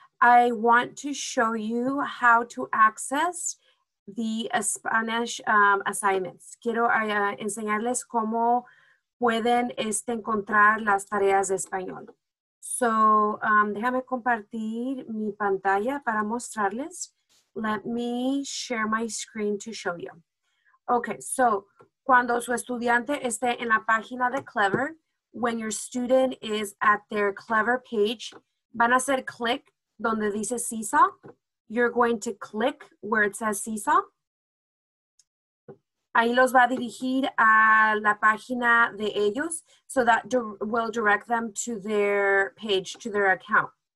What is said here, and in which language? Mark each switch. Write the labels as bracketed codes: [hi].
[en] I want to show you how to access the Spanish assignments. [es] Quiero enseñarles cómo pueden encontrar las tareas de español. So, déjame compartir mi pantalla para mostrarles. [en] Let me share my screen to show you. [es] Okay, so cuando su estudiante esté en la página de Clever, [en] when your student is at their Clever page, [es] van a hacer click donde dice Seesaw. [en] You're going to click where it says Seesaw. [es] Ahí los va a dirigir a la página de ellos. [en] So that will direct them to their page, to their account.